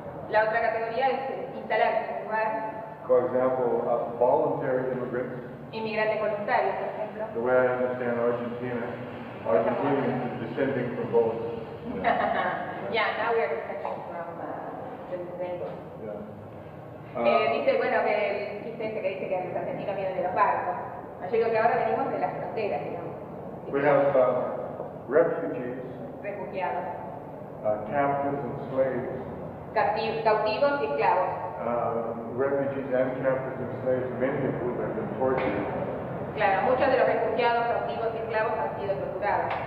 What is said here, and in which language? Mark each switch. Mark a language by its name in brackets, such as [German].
[Spanish] La otra categoría es instalarse en un lugar. [English] For example, a voluntary immigrant. [Spanish] Inmigrante voluntario, por ejemplo. [English] The way I understand Argentina, Argentinians are descending from both. Yeah, now we are descending from the descendants. Yeah. [Spanish] Dice, bueno, que el chiste que dice que los argentinos vienen de los barcos. Yo digo que ahora venimos de las fronteras, digamos. [English] We have refugees. [Spanish] Refugiados. [English] Captives and slaves. [Spanish] Cautivos y esclavos. [English] Refugees and captives and slaves, many of whom have been tortured. [Spanish] Claro, muchos de los refugiados, cautivos y esclavos han sido torturados.